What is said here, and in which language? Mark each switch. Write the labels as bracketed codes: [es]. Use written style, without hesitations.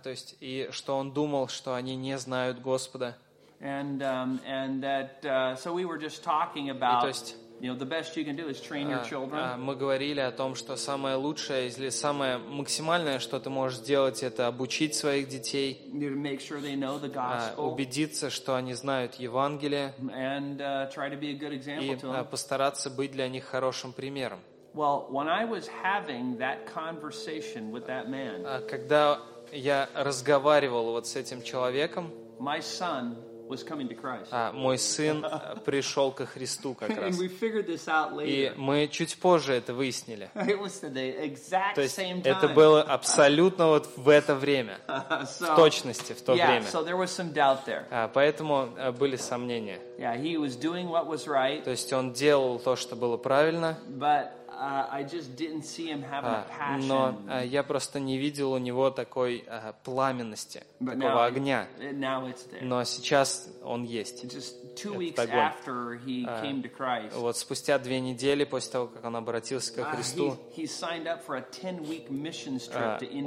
[ru] То есть и что он думал, что они не знают Господа. [en] And that so we were just talking about. [ru] То есть, [en] you know, the best you can do is train your children. [ru] Мы говорили о том, что самое лучшее или самое максимальное, что ты можешь сделать, это обучить своих детей. [en] You need to make sure they know the gospel. [ru] Убедиться, что они знают Евангелие. [en] And try to be a good example to them. [ru] И постараться быть для них хорошим примером. [en] Well, when I was having that conversation with that man, [ru] когда я разговаривал вот с этим человеком, [en] my son was coming to Christ. [ru] Мой сын пришел ко Христу как раз. [en] And we figured this out later. [ru] И мы чуть позже это выяснили. [en] It was the exact same time. [ru] Это было абсолютно вот в это время, в точности в то время. [en] Yeah, so there was some doubt there. [ru] Поэтому были сомнения. [en] Yeah, he was doing what was right. [ru] То есть он делал то, что было правильно. [en] But I just didn't see him having a passion. [ru] Но я просто не видел у него такой пламенности, [en] but [ru] такого [en] now, [ru] огня. [en] Now it's there. [ru] Но сейчас он есть. [en] Just two weeks after he came to Christ. [ru] Вот спустя две недели после того, как он обратился ко Христу, [en] he signed up for a 10-week missions trip to India.